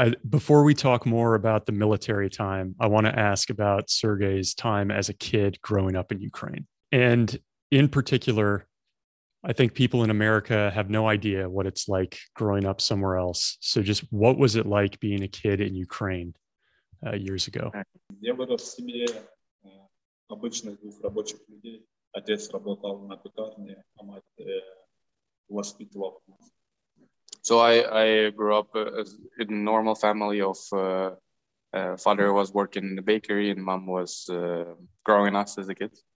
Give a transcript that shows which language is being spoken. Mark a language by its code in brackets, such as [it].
[en] Before we talk more about the military time, I want to ask about Sergei's time as a kid growing up in Ukraine. And in particular, I think people in America have no idea what it's like growing up somewhere else. So just what was it like being a kid in Ukraine years ago? [ru] Я вырос в семье обычных двух рабочих людей. Отец работал на пекарне, а мать воспитывала. [en] So I grew up in a normal family of father was working in the bakery and mom was growing us as a kid.